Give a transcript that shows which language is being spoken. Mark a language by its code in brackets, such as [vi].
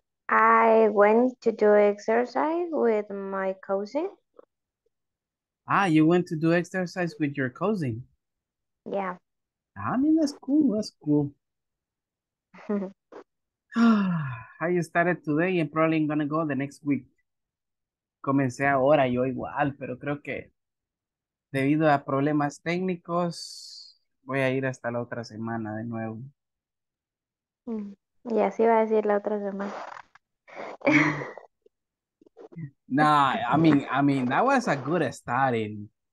[en] I went to do exercise with my cousin. Ah, you went to do exercise with your cousin? Yeah. I mean, that's cool. I started today and probably I'm going to go the next week. [es] Comencé ahora, yo igual, pero creo que debido a problemas técnicos, voy a ir hasta la otra semana de nuevo. Y así va a decir la otra semana. [en] No, I mean, that was a good starting.